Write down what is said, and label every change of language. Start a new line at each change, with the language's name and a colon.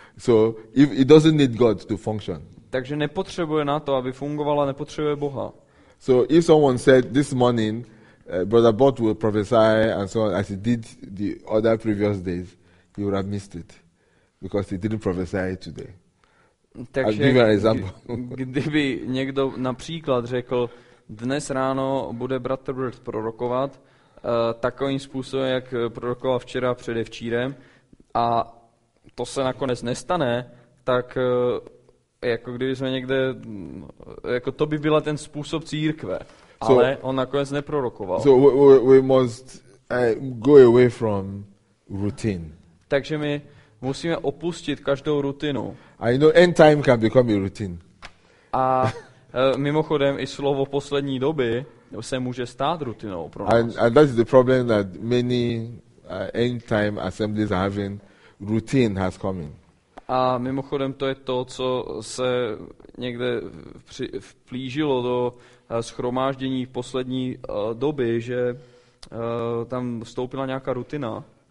English: So if it doesn't need God to function.
Czech: Takže nepotřebuje na to, aby fungovala, nepotřebuje Boha.
English: So if someone said this morning, Brother Bot will prophesy and so on, as he did the other previous days, he would have missed it, because he didn't prophesy today.
Czech: Takže
English: I'll give you an example.
Czech: Kdyby někdo například řekl, dnes ráno bude Brother Bird prorokovat takovým způsobem, jak prorokoval včera předevčírem, a to se nakonec nestane, tak jako kdyby jsme někde, jako to by byla ten způsob církve. Ale on nakonec neprorokoval.
English: So we must go away from routine.
Czech: Takže my musíme opustit každou rutinu.
English: I know end time can become a routine.
Czech: A mimochodem i slovo poslední doby se může stát rutinou pro nás.
English: And that is the problem that many end time assemblies are having. Routine has come in.
Czech: A mimochodem to je to, co se někde vplížilo do shromáždění v poslední doby, že tam vstoupila nějaká rutina.